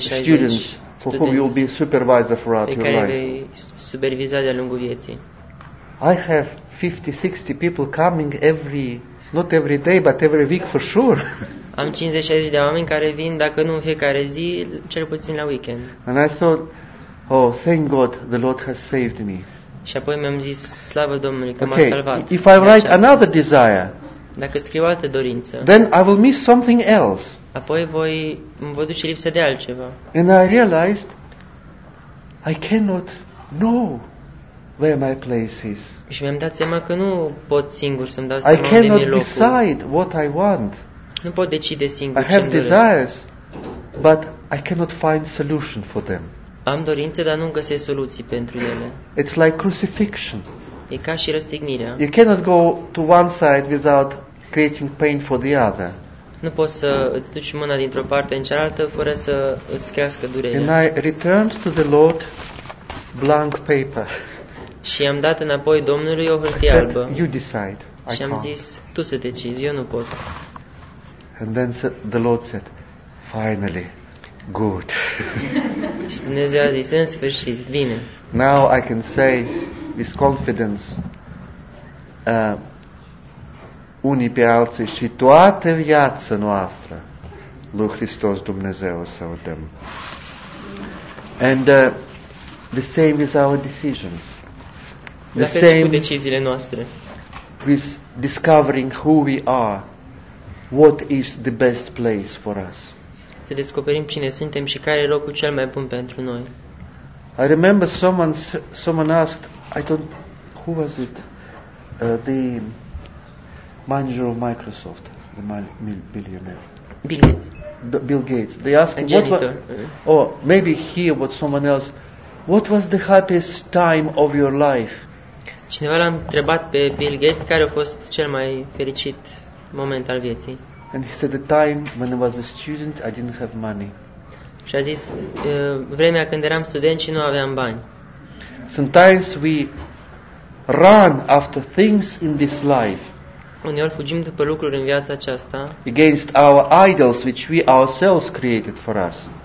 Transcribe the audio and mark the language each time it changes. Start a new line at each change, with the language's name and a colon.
English: students for whom you'll be supervisor throughout your life.
Romanian: Pe care vei supervisa de-a lungul vieții.
English: I have 50-60 people coming every, not every day, but every week for sure.
Romanian: Am 50-60 de oameni care vin, dacă nu în fiecare zi, cel puțin la weekend.
English: And I thought, oh, thank God, the Lord has saved me.
Romanian: Și apoi mi-am zis, slavă Domnului că okay, m-a salvat.
English: If I write another desire,
Romanian: dacă scriu altă dorință,
English: then I will miss something else.
Romanian: Apoi voi îmi voi duce lipsă de altceva.
English: And I realized, I cannot know where my place is.
Romanian: Și mi-am dat seama că nu pot singur să-mi dau seama unde mi-e locul.
English: I cannot decide what I want.
Romanian: Nu pot decide singur ce doresc.
English: I have desires, but I cannot find solution for them.
Romanian: Am dorințe, dar nu găsesc soluții pentru ele.
English: It's like crucifixion.
Romanian: E ca și răstignirea.
English: You cannot go to one side without creating pain for the other.
Romanian: Nu poți să îți duci mâna dintr-o parte în cealaltă fără să îți crească durerea.
English: And I returned to the Lord blank paper.
Romanian: Și am dat înapoi Domnului o hârtie albă.
English: You decide.
Romanian: Și am zis, tu să decizi, eu nu pot.
English: And then the Lord said, finally, good.
Romanian: Și Dumnezeu a zis, în sfârșit, bine.
English: Now I can say with confidence,
Romanian: unii pe alții și toată viața noastră, lui Hristos Dumnezeu să udem.
English: And the same is our decisions. The same
Romanian: cu deciziile noastre.
English: With discovering who we are, what is the best place for us.
Romanian: Să descoperim cine suntem și care e locul cel mai bun pentru noi.
English: I remember someone asked, I don't, who was it? The manager of Microsoft, the billionaire. Bill Gates. Bill Gates. They asked him, or maybe here, what someone else, what was the happiest time of your life?
Romanian: Cineva l-a întrebat pe Bill Gates care a fost cel mai fericit moment al vieții.
English: And he said, the time when I was a student, I didn't have money.
Romanian: Și a zis, vremea când eram student și nu aveam bani.
English: Sometimes we run after things in this life.
Romanian: Uneori fugim după lucruri în viața aceasta.
English: Against our idols which we ourselves created for us.